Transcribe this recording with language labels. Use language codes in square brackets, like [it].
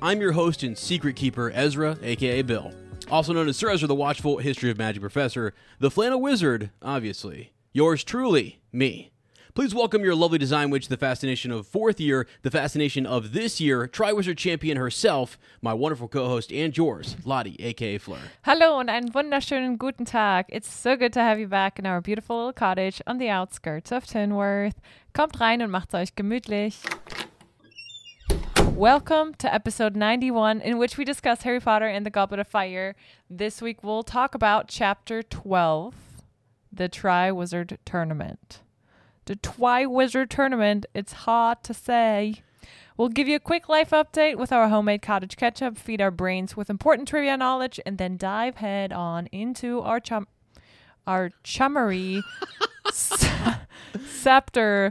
[en] I'm your host and secret keeper, Ezra, aka Bill. Also known as Sir Ezra the Watchful, History of Magic Professor, the Flannel Wizard, obviously. Yours truly, me. Please welcome your lovely design witch, the fascination of fourth year, the fascination of this year, Triwizard Champion herself, my wonderful co-host and yours, Lottie, aka Fleur. Hello and [de] einen wunderschönen guten Tag. [en] It's so good to have you back in our beautiful little cottage on the outskirts of Tinworth. [de] Kommt rein und macht's euch gemütlich. [en] Welcome to episode 91, in which we discuss Harry Potter and the Goblet of Fire. This week we'll talk about chapter 12. The Triwizard Tournament. The Triwizard Tournament, it's hard to say. We'll give you a quick life update with our homemade cottage ketchup, feed our brains with important trivia knowledge, and then dive head on into our chummery scepter.